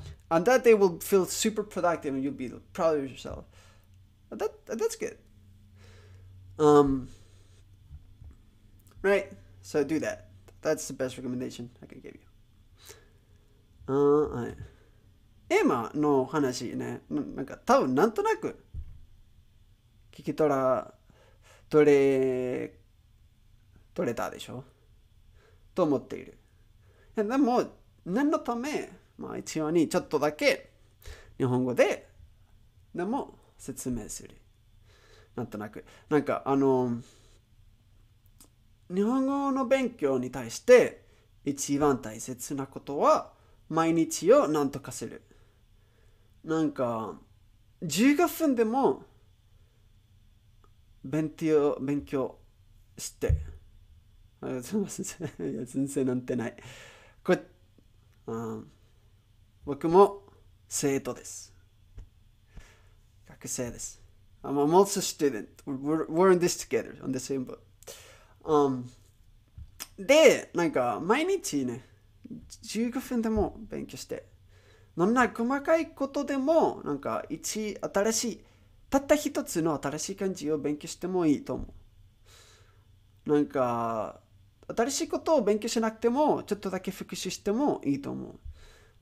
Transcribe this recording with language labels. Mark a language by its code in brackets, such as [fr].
[en] And that day will feel super productive and you'll be proud of yourself. That's good. Right? So do that. That's the best recommendation I can give you. [ja] Emma の話ね。なんか多分なんとなく聞き取ら、どれ、取れたでしょと思っている。いやでも念のため、まあ一応にちょっとだけ日本語ででも説明する。なんとなく、なんか日本語の勉強に対して一番大切なことは毎日を何とかする。なんか15分でも勉強して、すみません、いや先生なんてない。これ、僕も生徒です。学生です。 [en] I'm also a student. We're in this together on the same boat. [ja] で、なんか毎日ね、15分でも勉強して、どんな細かいことでも、なんか一、新しい、たった一つの新しい漢字を勉強してもいいと思う。なんか、新しいことを勉強しなくても、ちょっとだけ復習してもいいと思う。